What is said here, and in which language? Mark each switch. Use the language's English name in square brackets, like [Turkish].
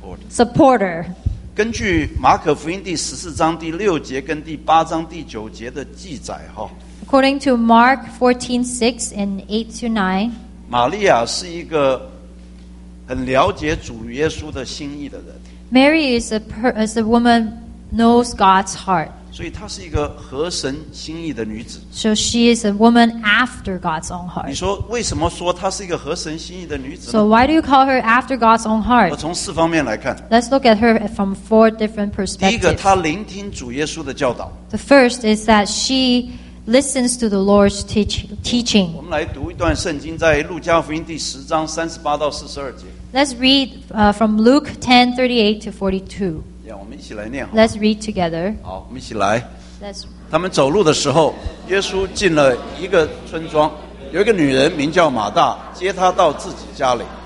[English] Supporter. [Chinese] 根据马可福音第十四章第六节跟第八章第九节的记载哈。 [English] According to Mark 14:6 and 8-9, [Chinese] 玛利亚是一个很了解主耶稣的心意的人。 [English] Mary is a woman knows God's heart. [Chinese] 所以她是一个合神心意的女子。 [English] So she is a woman after God's own heart. [Chinese] 你说为什么说她是一个合神心意的女子呢？ [English] So why do you call her after God's own heart? [Chinese] 我从四方面来看。 [English] Let's look at her from four different perspectives. [Chinese] 第一个，她聆听主耶稣的教导。 [English] The first is that she listens to the Lord's teaching. [Chinese] 我们来读一段圣经，在路加福音第十章三十八到四十二节。 [English] Let's read from Luke 10:38-42. [Chinese] Yeah, 我们一起来念。 [English] Let's read together. [Chinese] 好，我们一起来。他们走路的时候，耶稣进了一个村庄，有一个女人名叫马大，接他到自己家里。